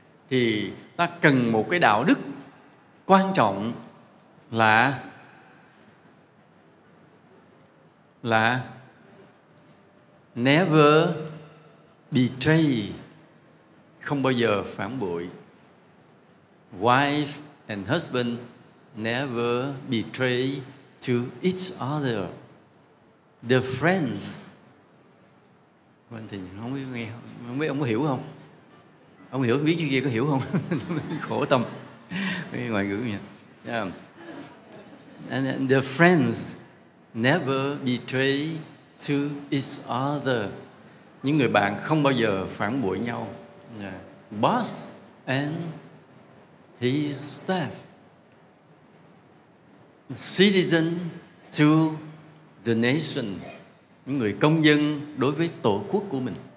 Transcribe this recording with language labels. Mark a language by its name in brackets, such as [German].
[Vietnamese] Thì ta cần một cái đạo đức quan trọng là [English] never betray, [Vietnamese] không bao giờ phản bội. [English] Wife and husband never betray to each other. The friends, [Vietnamese] thì không biết nghe, không biết ông có hiểu không? Ông hiểu biết chứ kia có hiểu không? Khổ tâm, cái ngoại ngữ nha. Yeah. [English] And the friends never betray to each other. [Vietnamese] Những người bạn không bao giờ phản bội nhau. Yeah. [English] Boss and his staff. Citizen to the nation. [Vietnamese] Những người công dân đối với tổ quốc của mình.